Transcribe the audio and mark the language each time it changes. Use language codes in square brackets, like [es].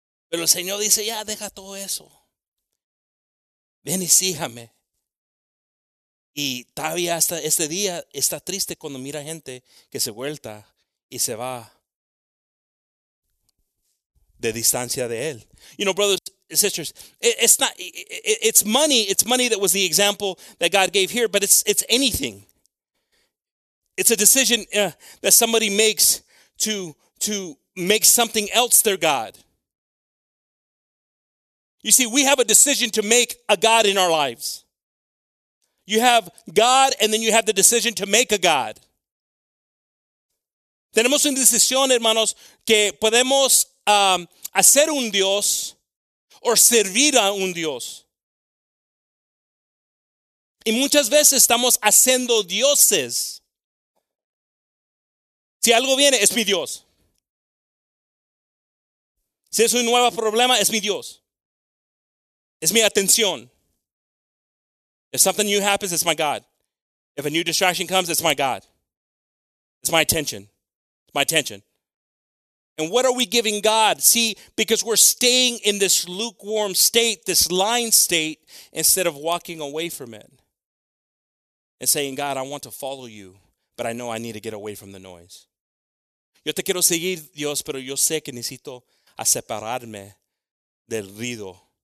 [es] Pero el Señor dice, ya deja todo eso. Ven y síjame. Y todavía hasta este día está triste cuando mira gente que se vuelta y se va de distancia de él. [en] You know, brothers and sisters, it's money. It's money that was the example that God gave here, but it's anything. It's a decision that somebody makes to make something else their God. You see, we have a decision to make a God in our lives. You have God, and then you have the decision to make a God. [es] Tenemos una decisión, hermanos, que podemos hacer un Dios o servir a un Dios. Y muchas veces estamos haciendo dioses. Si algo viene, es mi Dios. Si es un nuevo problema, es mi Dios. Es mi atención. [en] If something new happens, it's my God. If a new distraction comes, it's my God. It's my attention. It's my attention. And what are we giving God? See, because we're staying in this lukewarm state, this line state, instead of walking away from it and saying, God, I want to follow you, but I know I need to get away from the noise. [es] Yo te quiero seguir, Dios, pero yo sé que necesito a separarme del ruido.